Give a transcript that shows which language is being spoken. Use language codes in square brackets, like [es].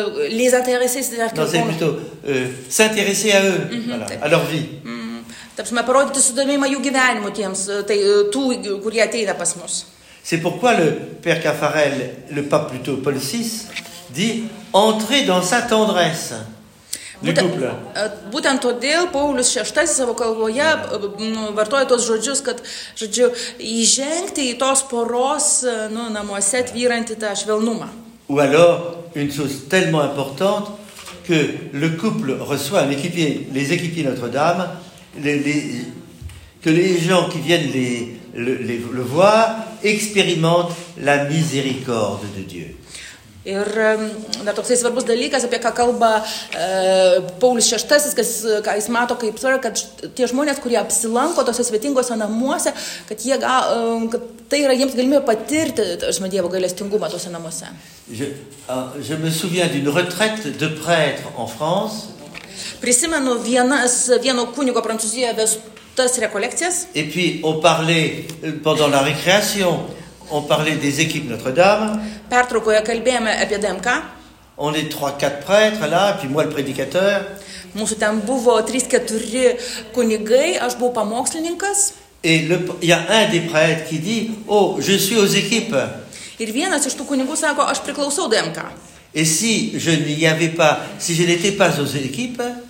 [fr] Les intéresser, c'est-à-dire que... Non, c'est plutôt s'intéresser à eux, voilà, à leur vie. [lt] Taip, mes parodyti sudomėjimą jų gyvenimu tiems, tai tų, kurie ateina pas mus. [fr] C'est pourquoi le père Caffarel, le pape plutôt Paul VI, dit entrer dans sa tendresse. [lt] Būtent todėl Paulius VI savo kalboje vartoja tos žodžius, kad, žodžiu, įžengti į tos poros, nu, namuose tvyrantį tą švelnumą. [fr] Ou alors, une chose tellement importante, que le couple reçoit un équipier, les équipiers Notre-Dame, que les gens qui viennent le voir expérimentent la miséricorde de Dieu. [lt] Ir dar toksai svarbus dalykas, apie ką kalba Paulius VI, ką jis mato kaip svarbu, kad tie žmonės, kurie apsilanko tose svetingose namuose, kad jie kad tai yra jiems galimybė patirti Dievo gailestingumą tose namuose. [fr] Je me souviens d'une retraite de prêtre en France. [lt] Prisimenu vieno kunigo Prancūzijoje vestas rekolekcijas. [fr] Et puis on parlait pendant la récréation. On parlait des équipes Notre-Dame. [lt] Pertraukoje kalbėjome apie DMK. [fr] On est 3-4 prêtres là, puis moi le prédicateur. [lt] Mūsų ten buvo 3-4 kunigai, aš buvau pamokslininkas. [fr] Et il y a un des prêtres qui dit: "Oh, je suis aux équipes." [lt] Ir vienas iš tų kunigų sako: "Aš priklausau DMK." [fr] Et si je n'y avais pas, si je n'étais pas aux équipes,